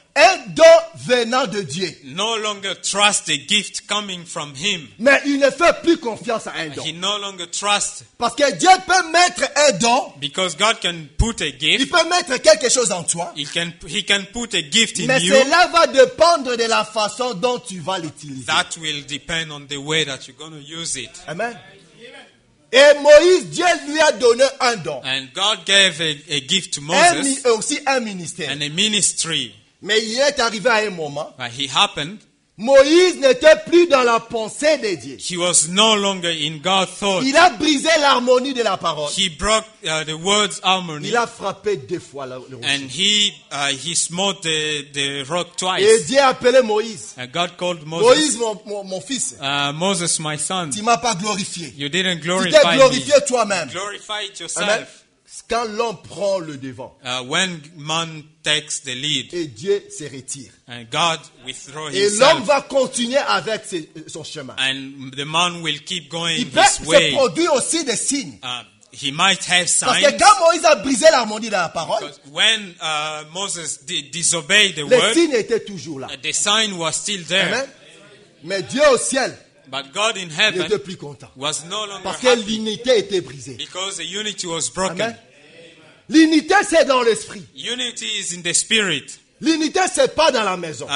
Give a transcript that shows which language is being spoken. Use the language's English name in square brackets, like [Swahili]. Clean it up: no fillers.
[French] Un don venant de Dieu. [English] No longer trust a gift coming from him. [French] Mais il ne fait plus confiance à un don. [English] He no longer trusts. [French] Parce que Dieu peut mettre un don. [English] Because God can put a gift. [French] Il peut mettre quelque chose en toi. [English] He can put a gift in [French] mais [English] you. [French] Mais cela va dépendre de la façon dont tu vas l'utiliser. [English] That will depend on the way that you're going to use it. Amen. [French] Et Moïse, Dieu lui a donné un don. [English] And God gave a gift to Moses. [French] Et aussi un ministère. [English] And a ministry. [French] Mais il est arrivé à un moment. [English] But he happened. [French] Moïse n'était plus dans la pensée de Dieu. [English] He was no longer in God's thought. [French] Il a brisé l'harmonie de la parole. [English] He broke the word's harmony. [French] Il a frappé 2 fois le rocher. [English] And he smote the rock twice. [French] Et Dieu a appelé Moïse. [English] And God called Moses. [French] Moïse, mon fils. [English] Moses, my son. [French] Tu m'as pas glorifié. [English] You didn't glorify me. [French] Tu t'es glorifié toi-même. [English] Glorified yourself. Amen. [French] Quand l'homme prend le devant, [English] when man takes the lead, [French] et Dieu se retire, [English] and God withdraws [French] et [English] himself, [French] l'homme va continuer avec son chemin, [English] and the man will keep going [French] il peut [English] this way. [French] Se produit aussi des signes. [English] He might have signs. [French] Parce que quand Moïse a brisé l'harmonie de la parole, [English] when Moses disobeyed the [French] les [English] word, [French] les signes étaient toujours là. [English] The sign was still there. [French] Amen. Mais Dieu au ciel. [English] But God in heaven [French] il était plus content. [English] Was no longer [French] parce que [English] happy [French] l'unité était brisée. [English] Because the unity was broken. Amen. [French] L'unité c'est dans l'esprit. Unity is in the spirit. L'unité c'est pas dans la maison.